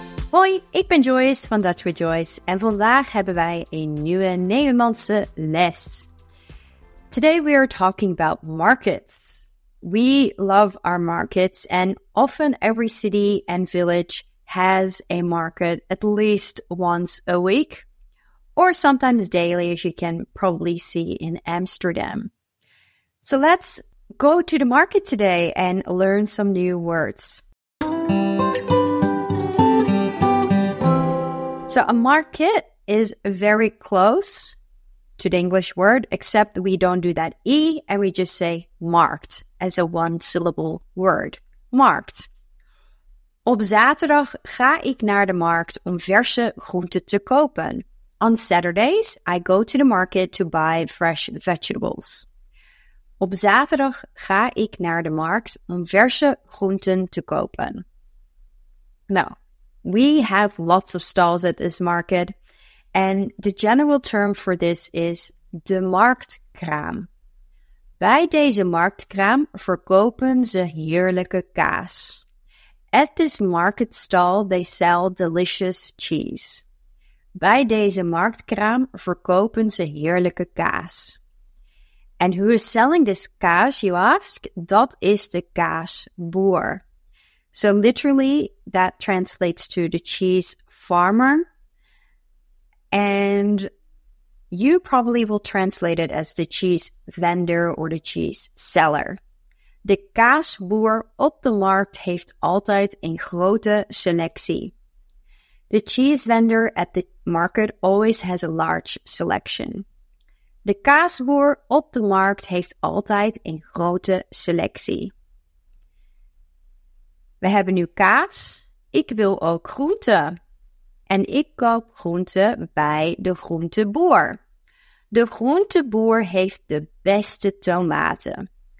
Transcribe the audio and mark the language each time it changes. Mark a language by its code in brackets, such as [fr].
[nl] Hoi, ik ben Joyce van Dutch with Joyce en vandaag hebben wij een nieuwe Nederlandse les. [en] Today we are talking about markets. We love our markets and often every city and village has a market at least once a week or sometimes daily as you can probably see in Amsterdam. So let's go to the market today and learn some new words. So a market is very close to the English word, except we don't do that E and we just say marked as a one syllable word. [nl] Marked. Op zaterdag ga ik naar de markt om verse groenten te kopen. [en] On Saturdays, I go to the market to buy fresh vegetables. [nl] Op zaterdag ga ik naar de markt om verse groenten te kopen. Nou. [en] We have lots of stalls at this market, and the general term for this is de marktkraam. [nl] Bij deze marktkraam verkopen ze heerlijke kaas. [en] At this market stall they sell delicious cheese. [nl] Bij deze marktkraam verkopen ze heerlijke kaas. [en] And who is selling this kaas, you ask? [nl] Dat is de kaasboer. [en] So literally, that translates to the cheese farmer. And you probably will translate it as the cheese vendor or the cheese seller. [nl] De kaasboer op de markt heeft altijd een grote selectie. [en] The cheese vendor at the market always has a large selection. [nl] De kaasboer op de markt heeft altijd een grote selectie. We hebben nu kaas. Ik wil ook groente. En ik koop groente bij de groenteboer. De groenteboer heeft de beste tomaten.